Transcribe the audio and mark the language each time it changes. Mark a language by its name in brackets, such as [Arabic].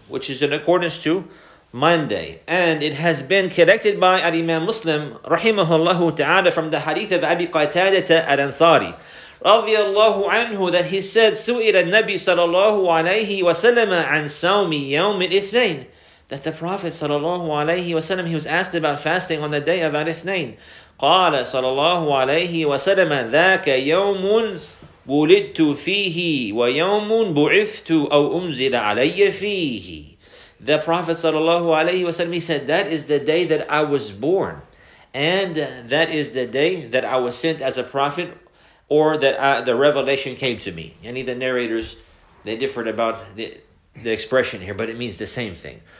[English] Which is in accordance to Monday. And it has been collected by Al-Imam Muslim, rahimahullahu ta'ala, from the hadith of Abi Qatadata Al-Ansari, radiyallahu anhu, that he said, [Arabic] سُئِلَ النَّبِي [English] sallallahu alayhi wa sallam [Arabic] عَنْ سَوْمِ يَوْمِ الْإِثْنَيْنِ, [English] that the Prophet sallallahu alayhi wa sallam, he was asked about fasting on the day of Al-Ithnayn. [Arabic] قَالَ sallallahu alayhi wa sallam ذَاكَ يَوْمٌ وُلِدْتُ فِيهِ وَيَوْمٌ بُعِثْتُ أَوْ أُمْزِلَ عَلَيَّ فِيهِ. [English] The Prophet sallallahu alayhi wa sallam, he said, that is the day that I was born, and that is the day that I was sent as a prophet, or that the revelation came to me. Any of the narrators, they differed about the expression here, but it means the same thing.